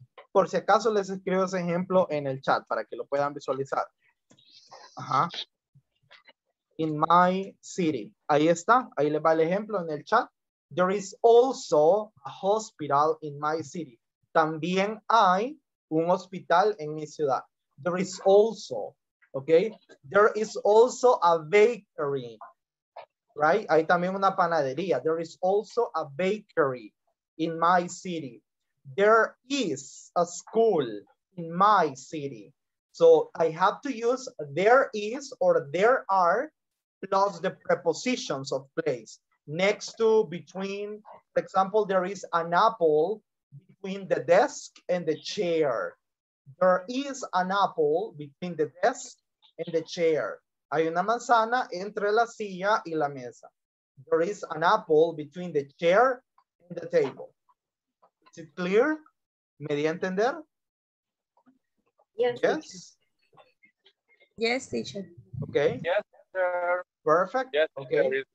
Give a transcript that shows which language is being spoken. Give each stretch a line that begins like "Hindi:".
Spanish: Por si acaso les escribo ese ejemplo en el chat para que lo puedan visualizar. Ajá.
English: In my city.
Spanish: Ahí está. Ahí le va el ejemplo en el chat.
English: There is also a hospital in my city.
Spanish: También hay un hospital en mi ciudad.
English: There is also. Okay. There is also a bakery. Right.
Spanish: Hay también una panadería.
English: There is also a bakery in my city. There is a school in my city. So I have to use there is or there are. Plus the prepositions of place. Next to, between, for example, there is an apple between the desk and the chair. There is an apple between the desk and the chair.
Spanish: Hay una manzana entre la silla y la mesa.
English: There is an apple between the chair and the table. Is it clear?
Spanish: ¿Me di a entender?
English: Yes. Yes, teacher. Yes, teacher. Okay. Yes, teacher. Perfect. Yes, okay.